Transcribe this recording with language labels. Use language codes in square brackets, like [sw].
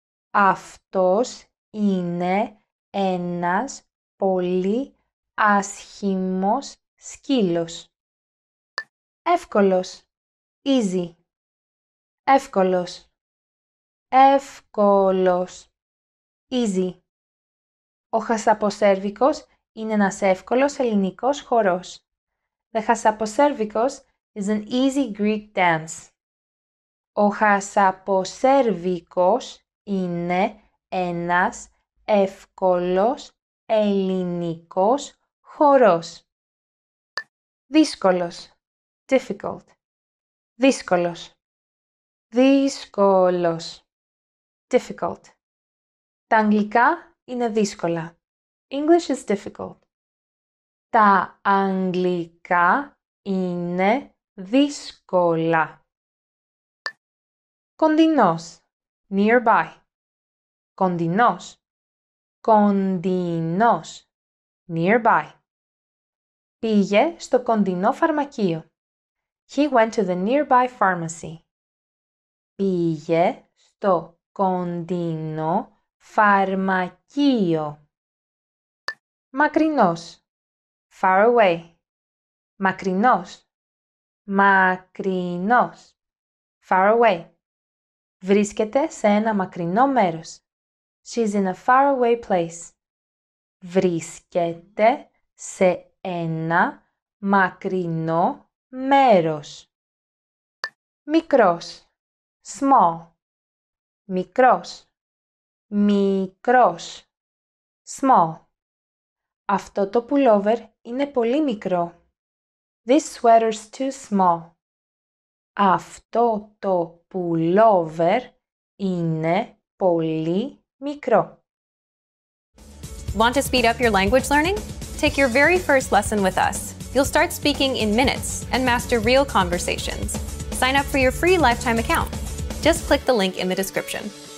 [el] Αυτός είναι ένας πολύ άσχημος σκύλος. Εύκολος. [en] Easy. [el] Εύκολος. Εύκολος. [en] Easy. [el] Ο χασαποσέρβικος είναι ένας εύκολος ελληνικός χορός. [en] The χασαποσέρβικος is an easy Greek dance. [el] Ο χασαποσέρβικος είναι ένας εύκολος ελληνικός χορός. Δύσκολος. [en] Difficult. [el] Δύσκολος. Δύσκολος. [en] Difficult. [el] Τα αγγλικά είναι δύσκολα. [en] English is difficult. [el] Τα αγγλικά είναι δύσκολα. Κοντινός. [en] Nearby. [el] Κοντινός. Κοντινός. [en] Nearby. [el] Πήγε στο κοντινό φαρμακείο. [en] He went to the nearby pharmacy. [el] Πήγε στο κοντινό φαρμακείο. Μακρινός. [en] Far away. [el] Μακρινός. Μακρινός. [en] Far away. [el] Βρίσκεται σε ένα μακρινό μέρος. [en] She's in a far away place. [el] Βρίσκεται σε ένα μακρινό μέρος. Μικρός. [en] Small. [el] Μικρός. Μικρός. [en] Small. [el] Αυτό το πουλόβερ είναι πολύ μικρό. [en] This sweater's too small. [el] Αυτό το πουλόβερ είναι πολύ μικρό. [en] Want to speed up your language learning? Take your very first lesson with us. You'll start speaking in minutes and master real conversations. Sign up for your free lifetime account. Just click the link in the description.